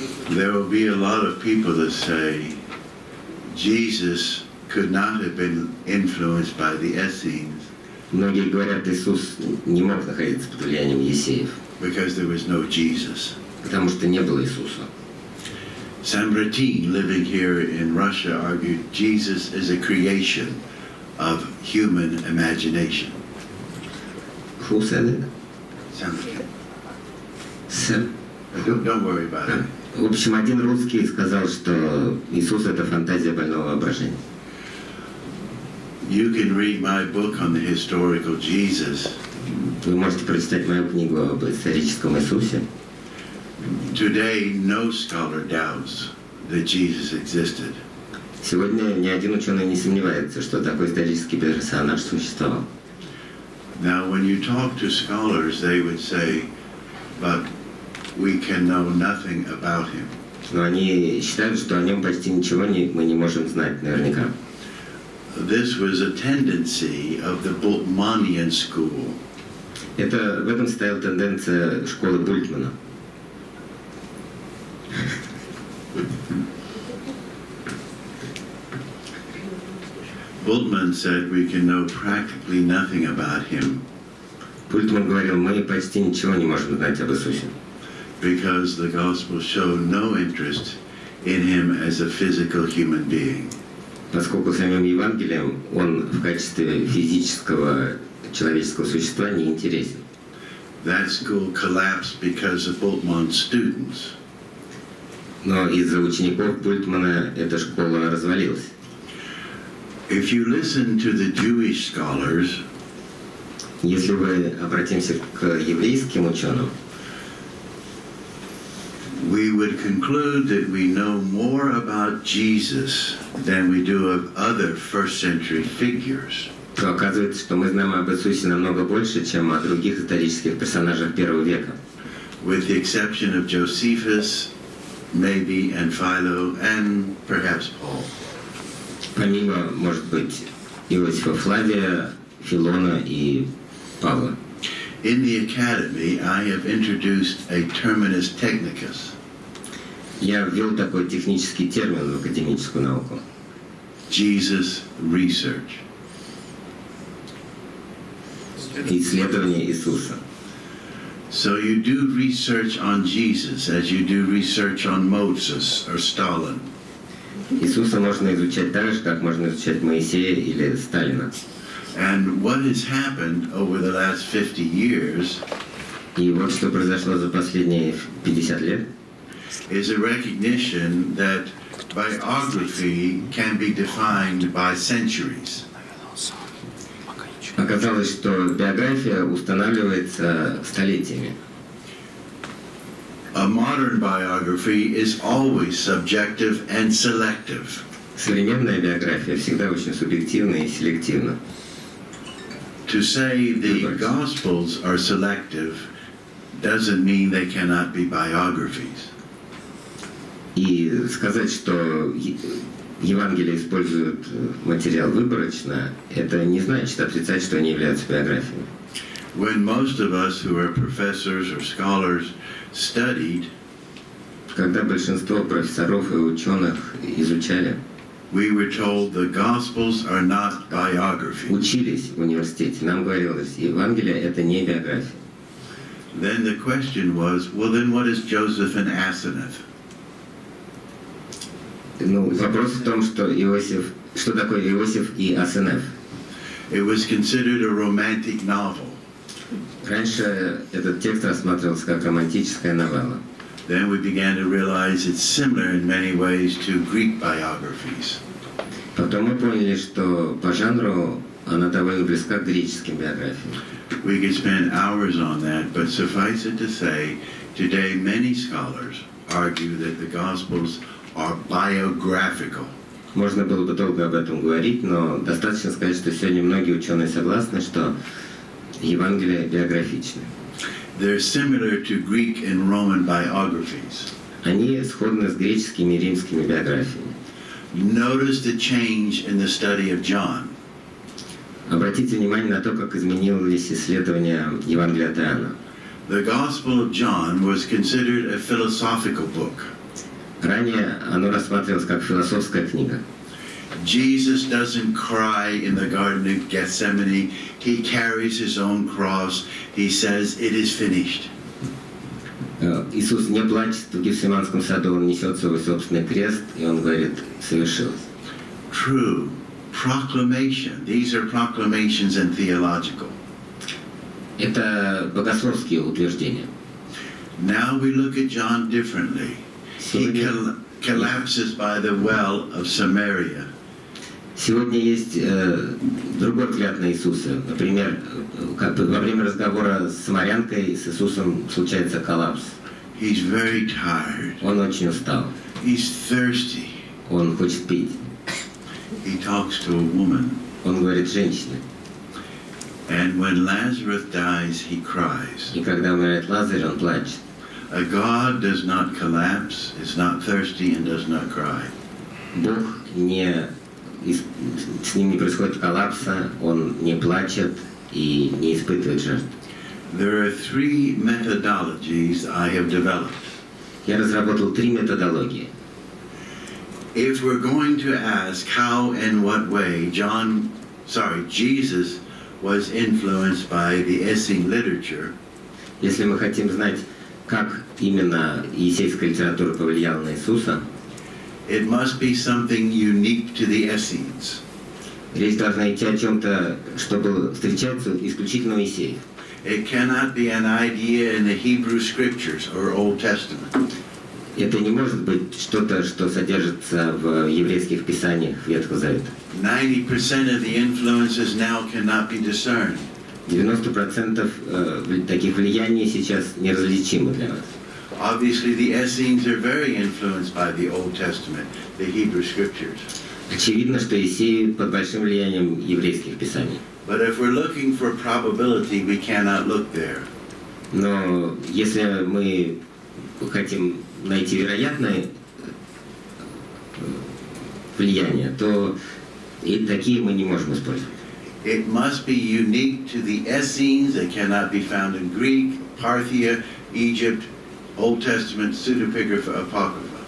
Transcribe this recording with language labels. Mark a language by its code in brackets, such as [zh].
[en] There will be a lot of people that say, Jesus could not have been influenced by the Essenes. [ru] Многие говорят, Иисус не мог находиться под влиянием есеев. [en] Because there was no Jesus. [ru] Потому что не было Иисуса. [en] Samaritans living here in Russia argued Jesus is a creation of human imagination. Who said it? Samaritans. Don't worry about it. [ru] В общем, один русский сказал, что Иисус это фантазия больного воображения. [en] You can read my book on the historical Jesus. [ru] Вы можете прочитать мою книгу об историческом Иисусе. [en] Today, no scholar doubts that Jesus existed. [ru] Сегодня ни один ученый не сомневается, что такой исторический персонаж существовал. [en] Now, when you talk to scholars, they would say, "But we can know nothing about him." [ru] Но они считают, что о нем почти ничего мы не можем знать наверняка. [en] This was a tendency of the Bultmannian school. [ru] Это в этом стояла тенденция школы Бультмана. [en] Bultmann said we can know practically nothing about him. [ru] Бультман говорил, мы почти ничего не можем знать об Иисусе. [en] Because the gospel showed no interest in him as a physical human being. [ru] Поскольку самим Евангелием он в качестве физического человеческого существа не интересен. [en] That school collapsed because of Bultmann's students. [ru] Но из-за учеников Бультмана эта школа развалилась. [en] If you listen to the Jewish scholars, [ru] если мы обратимся к еврейским ученым, [en] we would conclude that we know more about Jesus than we do of other first century figures. [ru] То оказывается, что мы знаем об Иисусе намного больше, чем о других исторических персонажах первого века. [en] With the exception of Josephus, maybe, and Philo, and perhaps Paul. [ru] Помимо, может быть, Иосифа Флавия, Филона и Павла. [en] In the academy, I have introduced a terminus technicus. [ru] Я ввел такой технический термин в академическую науку. [en] Jesus research. [ru] Исследование Иисуса. [en] So you do research on Jesus as you do research on Moses or Stalin. [ru] Иисуса можно изучать так же, как можно изучать Моисея или Сталина. [en] And what has happened over the last 50 years? [ru] И вот что произошло за последние 50 лет. [en] Is a recognition that biography can be defined by centuries. [ru] Оказалось, что биография устанавливается столетиями. [en] A modern biography is always subjective and selective. [ru] Современная биография всегда очень субъективна и селективна. [en] To say the Gospels are selective doesn't mean they cannot be biographies. [ru] И сказать, что Евангелие использует материал выборочно, это не значит отрицать, что они являются биографиями. [en] When most of us who are professors or scholars studied, [ru] когда большинство профессоров и ученых изучали, [en] we were told the Gospels are not biographies. [ru] Учились в университете, нам говорилось, Евангелие — это не биография. [en] Then the question was, well, then what is Joseph and Asenath? [ru] Ну, вопрос в том, что Иосиф, что такое Иосиф и Асенеф? [en] It was considered a romantic novel. [ru] Раньше этот текст рассматривался как романтическая новелла. [en] Then we began to realize it's similar in many ways to Greek biographies. [ru] Потом мы поняли, что по жанру она довольно близка к греческим биографиям. [en] We could spend hours on that, but suffice it to say, today many scholars argue that the Gospels are biographical. [ru] Можно было бы долго об этом говорить, но достаточно сказать, что сегодня многие ученые согласны, что Евангелие биографичное. [en] They're similar to Greek and Roman biographies. [ru] Они сходны с греческими и римскими биографиями. [en] Notice the change in the study of John. [ru] Обратите внимание на то, как изменилось исследование Евангелия от Иоанна. [en] The Gospel of John was considered a philosophical book. [ru] Ранее оно рассматривалось как философская книга. [en] Jesus doesn't cry in the Garden of Gethsemane. He carries his own cross. He says, "It is finished." [ru] Иисус не плачет в Гефсиманском саду. Он несет свой собственный крест, и он говорит, "Совершилось." [en] True. Proclamation. These are proclamations and theological. [ru] Это богословские утверждения. [en] Now we look at John differently. He collapses by the well of Samaria. [ru] Сегодня есть другой взгляд на Иисуса. Например, как бы во время разговора с самарянкой с Иисусом случается коллапс. [en] He's very tired. [ru] Он очень устал. [en] He's thirsty. [ru] Он хочет пить. [en] He talks to a woman. [ru] Он говорит женщине. [en] And when Lazarus dies, he cries. [ru] И когда умирает Лазарь, он плачет. [en] A God does not collapse, is not thirsty, and does not cry. [ru] Бог не с ним не происходит коллапса, он не плачет и не испытывает жертв. [en] There are three methodologies I have developed. [ru] Я разработал три методологии. [en] If we're going to ask how and what way Jesus was influenced by the Essene literature, [ru] если мы хотим знать, как именно есейская литература повлияла на Иисуса, [en] it must be something unique to the Essenes. [ru] Речь должна идти о чем-то, что было встречаться исключительно у Исеев. [en] It cannot be an idea in the Hebrew Scriptures or Old Testament. [ru] Это не может быть что-то, что содержится в еврейских писаниях Ветхого Завета. [en] 90% of the influences now cannot be discerned. [ru] 90% таких влияний сейчас неразличимы для нас. [en] Obviously, the Essenes are very influenced by the Old Testament, the Hebrew Scriptures. [ru] Очевидно, что Эссеи под большим влиянием еврейских писаний. [en] But if we're looking for probability, we cannot look there. [ru] Но если мы хотим найти вероятное влияние, то и такие мы не можем использовать. [en] It must be unique to the Essenes. It cannot be found in Greek, Parthia, Egypt, Old Testament, pseudepigrapha, apocrypha.